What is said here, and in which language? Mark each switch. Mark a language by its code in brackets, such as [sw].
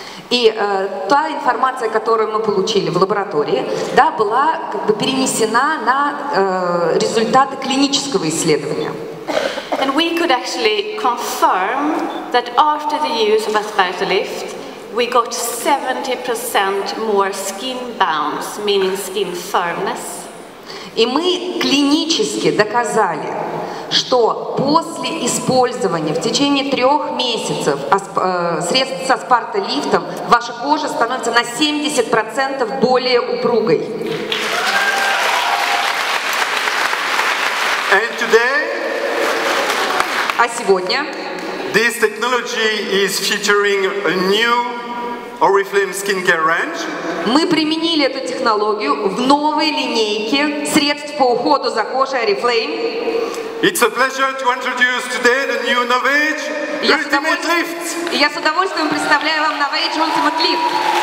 [ru] И та информация, которую мы получили в лаборатории, да, была как бы перенесена на результаты клинического исследования. [en] And we could actually confirm that after the use of Aspersolift, we got 70% more skin bounce, meaning skin firmness. [ru] И мы клинически доказали, что после использования в течение 3 месяцев средств со аспартолифтом ваша кожа становится на 70% более упругой. [en] And today, [ru] а сегодня [en] this technology is featuring a new Oriflame skincare range. [ru] Мы применили эту технологию в новой линейке средств по уходу за кожей Oriflame. [en] It's a pleasure to introduce today the new Novage Ultimate Lift. [ru] Я с удовольствием представляю вам Novage Ultimate Lift.